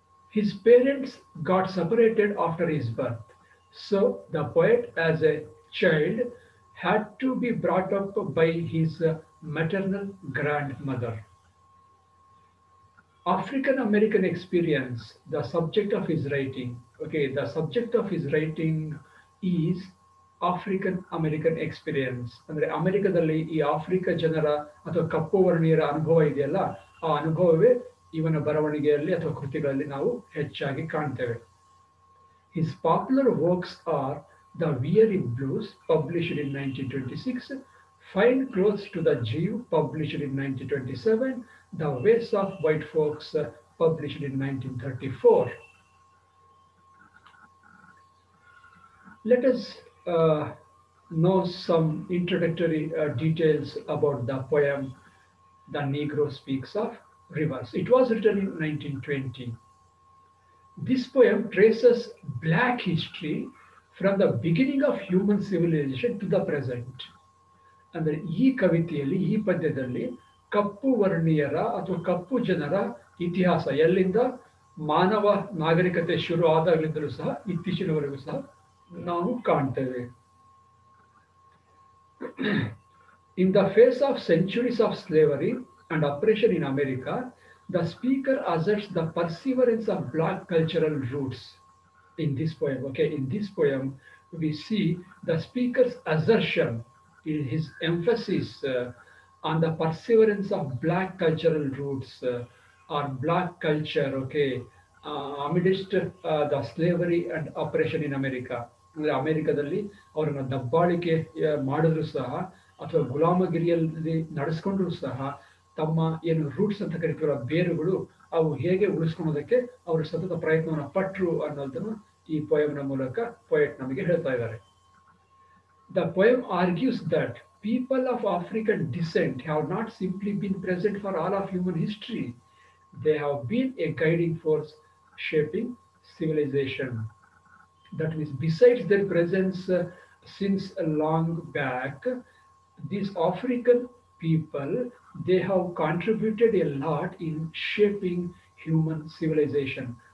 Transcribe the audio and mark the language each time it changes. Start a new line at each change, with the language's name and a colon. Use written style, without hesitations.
English: His parents got separated after his birth, so the poet as a child had to be brought up by his maternal grandmother. African-American experience, the subject of his writing. Okay, the subject of his writing is African-American experience.
Kannada: ಅಂದರೆ ಅಮೆರಿಕದಲ್ಲಿ ಈ Africa ಜನರ ಅಥವಾ ಕಪ್ಪು ವರ್ಣೀಯರ ಅನುಭವ ಇದೆಯಲ್ಲ, ಆ ಅನುಭವವೇ ಇವನ ಬರವಣಿಗೆಯಲ್ಲಿ ಅಥವಾ ಕೃತಿಗಳಲ್ಲಿ ನಾವು ಹೆಚ್ಚಾಗಿ ಕಾಣ್ತೇವೆ.
English: His popular works are the weary blues, published in 1926, fine clothes to the Jew, published in 1927, The Ways of White Folks, published in 1934. Let us know some introductory details about the poem, The Negro Speaks of Rivers. It was written in 1920. This poem traces black history from the beginning of human civilization to the present.
Kannada: And ee kavithiyalli, ee padyadalli, ಕಪ್ಪು ವರ್ಣೀಯರ ಅಥವಾ ಕಪ್ಪು ಜನರ ಇತಿಹಾಸ, ಎಲ್ಲಿಂದ ಮಾನವ ನಾಗರಿಕತೆ ಶುರು ಆದಾಗಲಿಂದಲೂ ಸಹ ಇತ್ತೀಚಿನವರೆಗೂ ಸಹ ನಾವು ಕಾಣ್ತೇವೆ.
English: In the face of centuries of slavery and oppression in America, the speaker asserts the perseverance of black cultural roots in this poem. Okay, in this poem we see the speaker's assertion in his emphasis on the perseverance of black cultural roots or black culture, okay, amidst the slavery and oppression in America.
Kannada: ಅಂದರೆ ಅಮೆರಿಕದಲ್ಲಿ ಅವರನ್ನು ದಬ್ಬಾಳಿಕೆ ಮಾಡಿದ್ರೂ ಸಹ ಅಥವಾ ಗುಲಾಮಗಿರಿಯಲ್ಲಿ ನಡೆಸ್ಕೊಂಡ್ರು ಸಹ ತಮ್ಮ ಏನು ರೂಟ್ಸ್ ಅಂತ ಕರಿತೀವ ಬೇರುಗಳು, ಅವು ಹೇಗೆ ಉಳಿಸ್ಕೊಳ್ಳೋದಕ್ಕೆ ಅವರು ಸತತ ಪ್ರಯತ್ನವನ್ನು ಪಟ್ಟರು ಅನ್ನೋದನ್ನು ಈ ಪೊಯಮ್ನ ಮೂಲಕ ಪೊಯೆಟ್ ನಮಗೆ ಹೇಳ್ತಾ ಇದ್ದಾರೆ.
English: The poem argues that People of African descent have not simply been present for all of human history. they have been a guiding force shaping civilization. That means besides their presence since long back, these African people, they have contributed a lot in shaping human civilization.